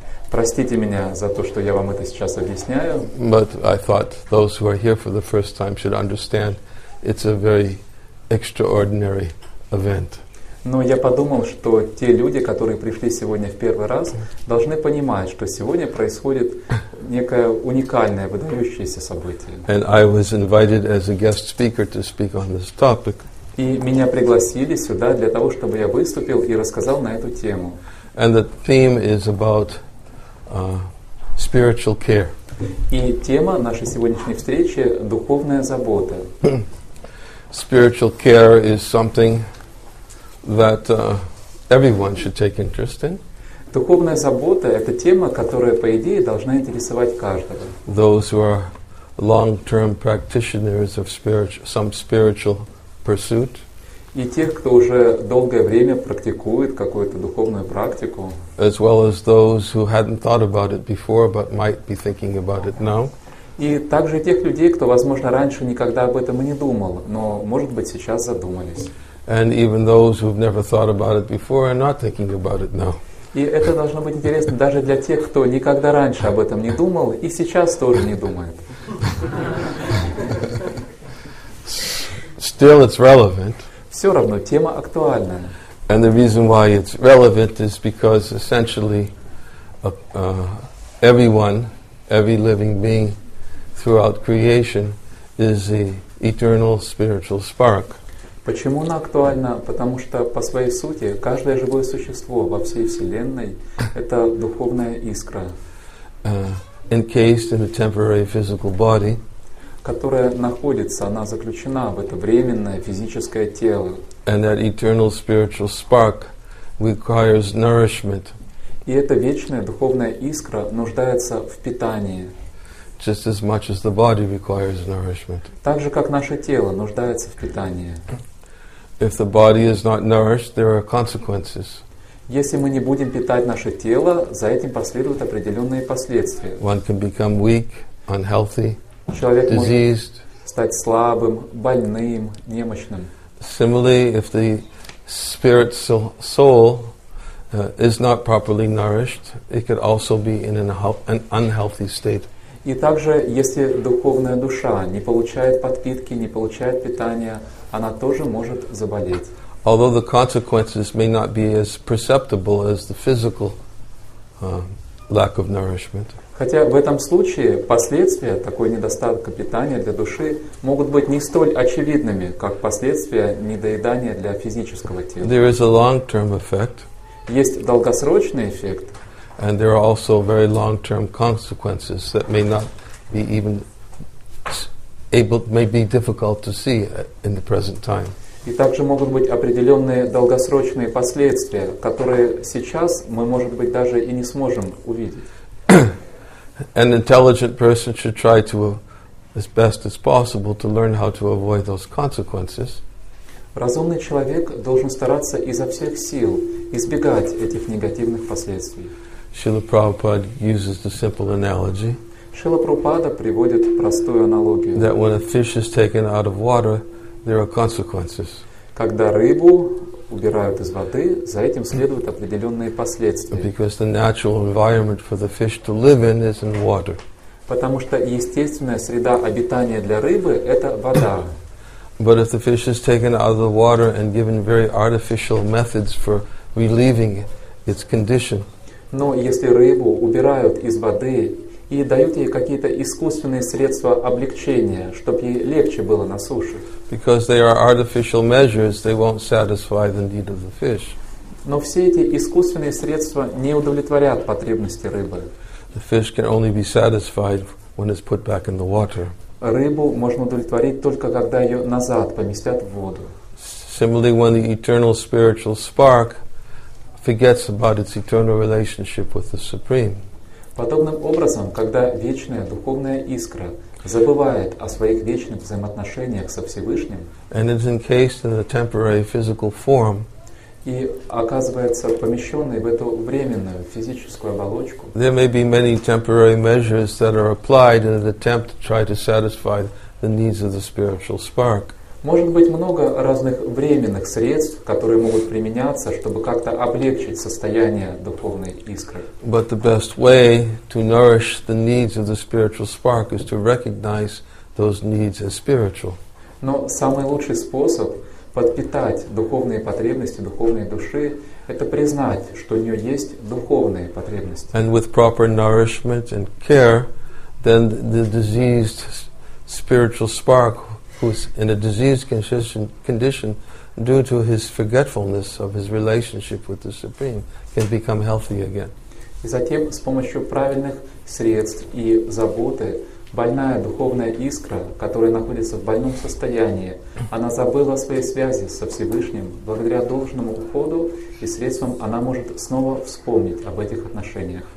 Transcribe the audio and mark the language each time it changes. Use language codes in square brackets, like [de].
[ru] Простите меня за то, что я вам это сейчас объясняю. [en] But I thought those who are here for the first time should understand it's a very extraordinary event. [ru] Но я подумал, что те люди, которые пришли сегодня в первый раз, должны понимать, что сегодня происходит некое уникальное, выдающееся событие. [en] And I was invited as a guest speaker to speak on this topic. [ru] И меня пригласили сюда для того, чтобы я выступил и рассказал на эту тему. [en] And the theme is about spiritual care. [ru] И тема нашей сегодняшней встречи – духовная забота. [en] Spiritual care is something that everyone should take interest in. [ru] Духовная забота – это тема, которая, по идее, должна интересовать каждого. [en] Those who are long-term practitioners of some spiritual pursuit. [ru] И тех, кто уже долгое время практикует какую-то духовную практику. [en] As well as those who hadn't thought about it before, but might be thinking about it now. [ru] И также тех людей, кто, возможно, раньше никогда об этом и не думал, но, может быть, сейчас задумались. [en] And even those who've never thought about it before are not thinking about it now. [ru] И это должно быть интересно даже для тех, кто никогда раньше об этом не думал и сейчас тоже не думает. [en] Still, it's relevant. [ru] Все равно тема актуальна. [en] And the reason why it's relevant is because essentially everyone, every living being throughout creation is the eternal spiritual spark. [ru] Почему она актуальна? Потому что по своей сути каждое живое существо во всей Вселенной — это духовная искра, [en] encased in a temporary physical body, [ru] которая находится, она заключена в это временное физическое тело. [en] And that eternal spiritual spark requires nourishment. [ru] И эта вечная духовная искра нуждается в питании. [en] Just as much as the body requires nourishment. [ru] Так же, как наше тело нуждается в питании. [en] If the body is not nourished, there are consequences. [ru] Если мы не будем питать наше тело, за этим последуют определенные последствия. [en] One can become weak, unhealthy, [ru] человек [en] diseased. [ru] Может стать слабым, больным, немощным. [en] Similarly, if the spirit soul is not properly nourished, it could also be in an unhealthy state. [ru] И также, если духовная душа не получает подпитки, не получает питания, она тоже может заболеть. [en] Although the consequences may not be as perceptible as the physical lack of nourishment. [ru] Хотя в этом случае последствия такой недостатка питания для души могут быть не столь очевидными, как последствия недоедания для физического тела. [en] There is a long-term effect. [ru] Есть долгосрочный эффект. [en] And there are also very long-term consequences that may not be even able, may be difficult to see in the present time. [ru] И также могут быть определенные долгосрочные последствия, которые сейчас мы, может быть, даже и не сможем увидеть. [en] An intelligent person should try to, as best as possible, to learn how to avoid those consequences. [ru] Разумный человек должен стараться изо всех сил избегать этих негативных последствий. [en] Srila Prabhupada uses the simple analogy. [ru] Srila Prabhupada приводит простую аналогию. [en] That when a fish is taken out of water, there are consequences. [ru] Когда рыбу убирают из воды, за этим следуют определенные последствия. [en] Because the natural environment for the fish to live in is in water. [ru] Потому что естественная среда обитания для рыбы – это вода. [en] But if the fish is taken out of the water and given very artificial methods for relieving its condition. [ru] Но если рыбу убирают из воды и дают ей какие-то искусственные средства облегчения, чтобы ей легче было на суше. [en] Because they are artificial measures, they won't satisfy the need of the fish. [ru] Но все эти искусственные средства не удовлетворят потребности рыбы. [en] The fish can only be satisfied when it's put back in the water. [ru] Рыбу можно удовлетворить только когда ее назад поместят в воду. [en] Similarly, when the eternal spiritual spark forgets about its eternal relationship with the Supreme. [ru] Подобным образом, когда вечная духовная искра забывает о своих вечных взаимоотношениях со Всевышним, [en] and is encased in a temporary physical form, [ru] и оказывается помещенной в эту временную физическую оболочку, [en] there may be many temporary measures that are applied in an attempt to try to satisfy the needs of the spiritual spark. [ru] Может быть много разных временных средств, которые могут применяться, чтобы как-то облегчить состояние духовной искры. [en] But the best way to nourish the needs of the spiritual spark is to recognize those needs as spiritual. [ru] Но самый лучший способ подпитать духовные потребности духовной души – это признать, что у нее есть духовные потребности. [en] And with proper nourishment and care, then the diseased spiritual spark who's in a diseased condition due to his forgetfulness of his relationship with the Supreme can become healthy again. [ru] И затем с помощью правильных средств и заботы больная духовная искра, которая находится в больном состоянии, она забыла свои связи со Всевышним. Благодаря должному уходу и средствам она может снова вспомнить об этих отношениях.